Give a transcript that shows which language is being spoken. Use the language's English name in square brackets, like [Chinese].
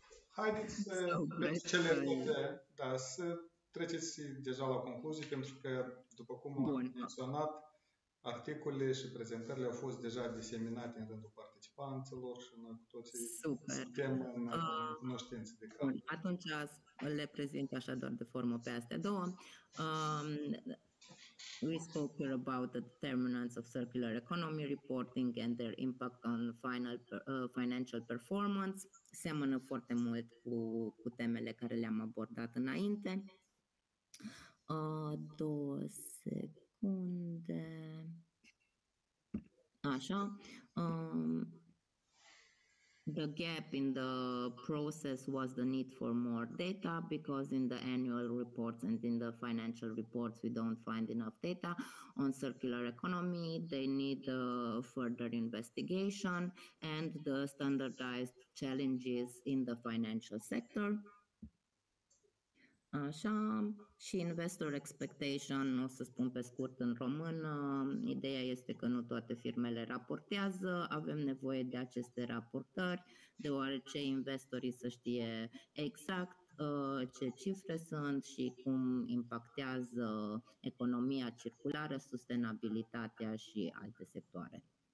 [Romanian] Haideți să treceți cele note, da, să treceți deja la concluzii, pentru că, după cum am menționat, articolele și prezentările au fost deja diseminate în rândul participanților și noi cu toții suntem în cunoștință de cauză. Atunci le prezint așa doar de formă pe astea două. [English] We spoke here about the determinants of circular economy reporting and their impact on final financial performance. [Romanian] Seamănă foarte mult cu temele care le-am abordat înainte. Două secunde. Așa. [English] The gap in the process was the need for more data, because in the annual reports and in the financial reports we don't find enough data on circular economy. They need further investigation and the standardized challenges in the financial sector. [Romanian] Așa, și [English] investor expectation, [Romanian] o să spun pe scurt în român, ideea este că nu toate firmele raportează, avem nevoie de aceste raportări, deoarece investorii să știe exact ce cifre sunt și cum impactează economia circulară, sustenabilitatea și alte sectoare.